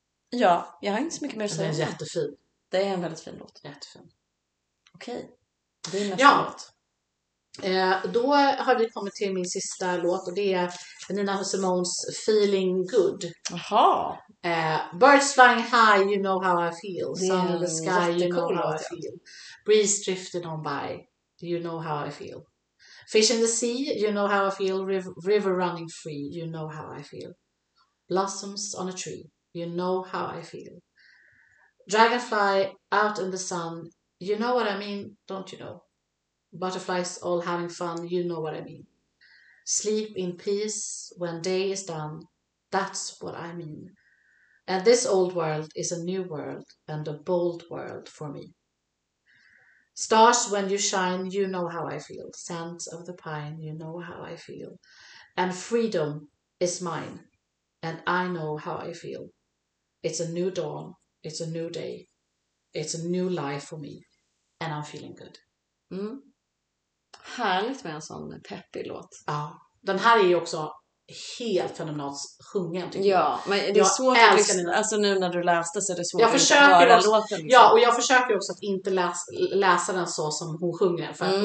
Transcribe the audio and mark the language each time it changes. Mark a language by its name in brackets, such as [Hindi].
[Swedish] Ja, jag har inte så mycket mer att säga. Den är jättefin. Det är en väldigt fin låt. Jättefin. Okej, det är nästa låt. Då har vi kommit till min sista låt och det är Nina Simones Feeling Good. Jaha. [English] Birds flying high, you know how I feel. Sun in the sky, you know how I feel. Breeze drifting on by, you know how I feel. Fish in the sea, you know how I feel. River running free, you know how I feel. Blossoms on a tree, you know how I feel. Dragonfly out in the sun, you know what I mean, don't you know? Butterflies all having fun, you know what I mean. Sleep in peace when day is done, that's what I mean. And this old world is a new world and a bold world for me. Stars when you shine, you know how I feel. Scent of the pine, you know how I feel. And freedom is mine and I know how I feel. It's a new dawn, it's a new day, it's a new life for me and I'm feeling good. [Swedish] Härligt med en sån peppig låt. Ja, den här är ju också helt fenomenalt sjungen tycker jag. Ja, men det är svårt att lyssna. Alltså nu när du läste så är det svårt att höra låten. Liksom. Ja, och jag försöker också att inte läsa den så som hon sjunger den.